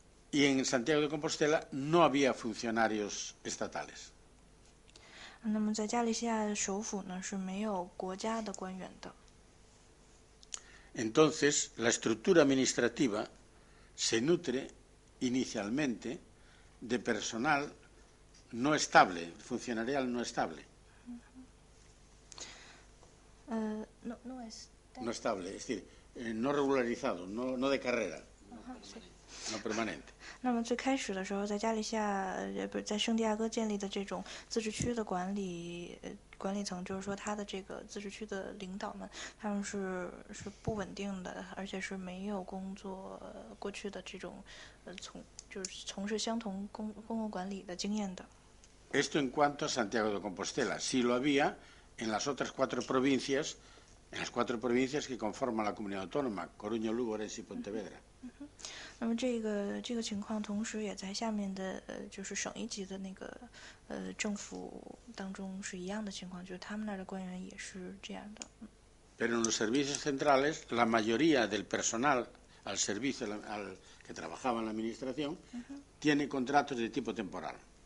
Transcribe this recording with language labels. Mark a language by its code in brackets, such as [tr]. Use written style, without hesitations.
[es] Y en Santiago de Compostela no había funcionarios estatales. [zh] 那么在加利西亚的首府呢，是没有国家的官员的。 [es] Entonces, la estructura administrativa se nutre inicialmente de personal no estable, funcionarial no estable. No estable, es decir, no regularizado, no de carrera, no permanente. [zh] 那么最开始的时候，在加利西亚，在圣地亚哥建立的这种自治区的管理层，就是说他的这个自治区的领导们，他们是不稳定的，而且是没有工作过去的这种从事相同公共管理的经验的。 [es] Esto en cuanto a Santiago de Compostela. Sí lo había en las otras cuatro provincias, en las cuatro provincias que conforman la comunidad autónoma, Coruña, Lugo, Orense y Pontevedra. Pero en los servicios centrales, la mayoría del personal al servicio al que trabajaba en la administración tiene contratos de tipo temporal.